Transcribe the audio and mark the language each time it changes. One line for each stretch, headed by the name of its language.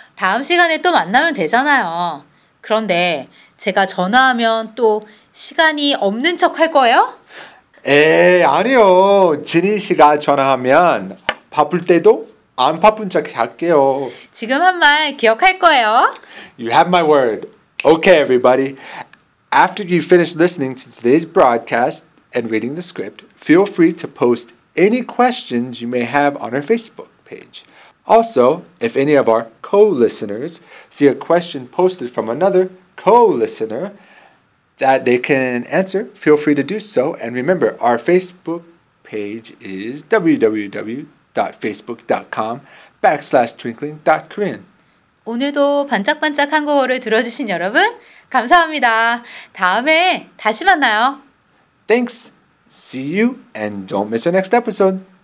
Korean: 다음 시간에 또 만나면 되잖아요. 그런데 제가 전화하면 또 시간이 없는 척 할 거예요? 에이, 아니요. 지니 씨가 전화하면 바쁠 때도 안 바쁜 척 할게요. 지금 한 말 기억할 거예요.
English: You have my word. Okay, everybody. After you finish listening to today's broadcast and reading the script, feel free to post any questions you may have on our Facebook page. Also, if any of our co-listeners see a question posted from another co-listener that they can answer, feel free to do so. And remember, our Facebook page is www.facebook.com/twinkling.korean.
Korean: 오늘도 반짝반짝 한국어를 들어주신 여러분, 감사합니다. 다음에 다시 만나요.
English: Thanks. See you and don't miss our next episode.